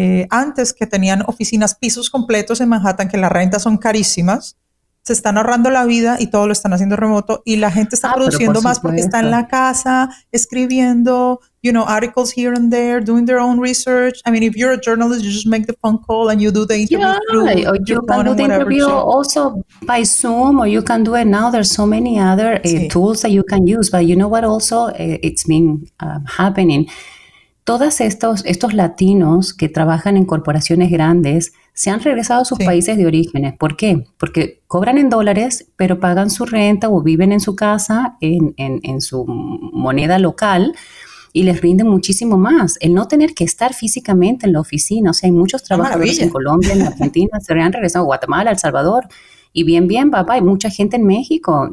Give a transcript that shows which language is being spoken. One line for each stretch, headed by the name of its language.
Spanish: antes que tenían oficinas, pisos completos en Manhattan, que las rentas son carísimas, se están ahorrando la vida y todo lo están haciendo remoto y la gente está produciendo más porque está en la casa, escribiendo,
English: you know, articles here and there, doing their own research. I mean, if you're a journalist, you just make the phone call and you do the interview. Yeah, through, or you can do the interview also by Zoom, or you can do it now. There's so many other tools that you can use. But you know what also it's been happening?
Spanish: Todos estos latinos que trabajan en corporaciones grandes se han regresado a sus países de orígenes. ¿Por qué? Porque cobran en dólares, pero pagan su renta o viven en su casa, en su moneda local, y les rinde muchísimo más el no tener que estar físicamente en la oficina. O sea, hay muchos trabajadores en Colombia, en Argentina, se han regresado a Guatemala, El Salvador, y bien, papá, hay mucha gente en México.